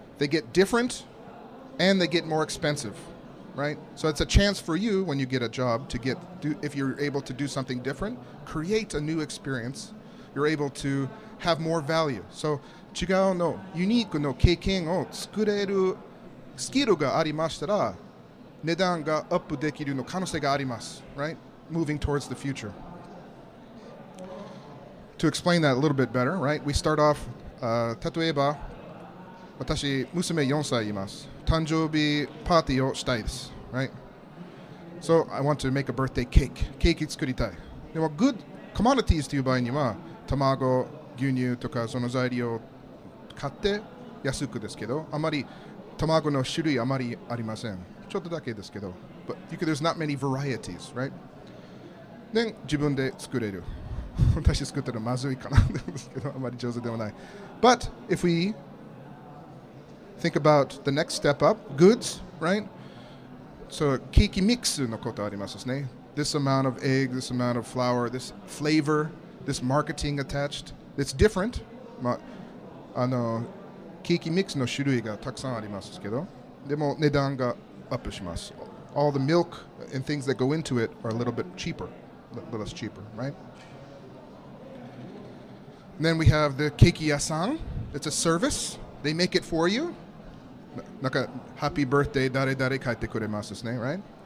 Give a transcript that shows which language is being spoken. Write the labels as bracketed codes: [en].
[en] They get different and they get more expensive. Right? So it's a chance for you when you get a job to get, do, if you're able to do something different, create a new experience, you're able to have more value. [ja] So, 違うの、ユニークの経験を作れるスキルがありましたら、値段がアップできるの可能性があります、 [en] right? Moving towards the future. To explain that a little bit better, right? We start off, [ja] 例えば、私、娘4歳います。誕生日パーティーをしたいです、 [en] right? So I want to make a birthday cake. [ja] ケーキ作りたい。でも [en] good commodities [ja] という場合には、卵、牛乳とかその材料買って安くですけど、あまり卵の種類あまりありません。ちょっとだけですけど、 [en] but you can, there's not many varieties, right? [ja] で自分で作れる。私作ったらまずいかなですけど、あまり上手ではない。 [en] But if weThink about the next step up, goods, right? [ja] So, ケーキミックスのことありますね。 [en] This amount of egg, this amount of flour, this flavor, this marketing attached. It's different. [ja] まあ、ケーキミックスの種類がたくさんありますけど、でも値段がアップします。 [en] All the milk and things that go into it are a little bit cheaper, a little less cheaper, right? And then we have the ケーキ屋さん.It's a service. They make it for you. Like a happy birthday, [ja] dare dare kaite kuremasu desu ne, [en] right?